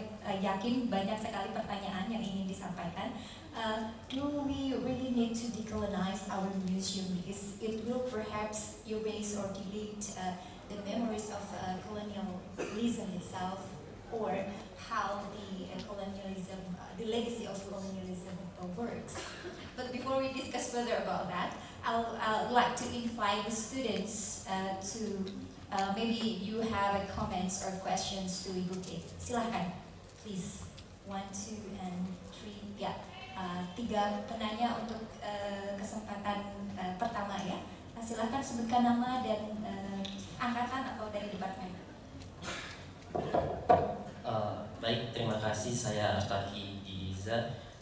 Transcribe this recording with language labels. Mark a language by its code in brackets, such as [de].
[id] Yakin banyak sekali pertanyaan yang ingin disampaikan. [en] Do we really need to decolonize our museum? Because it will perhaps erase or delete the memories of colonialism itself, or how the colonialism, the legacy of colonialism works. But before we discuss further about that, I'll like to invite the students to maybe you have comments or questions to Ibu K. Silahkan. Please. one, two, and three. [id] Yeah, tiga penanya untuk kesempatan pertama ya. Nah, silakan sebutkan nama dan angkatan atau dari departemen. Baik, terima kasih. Saya Taki Diza.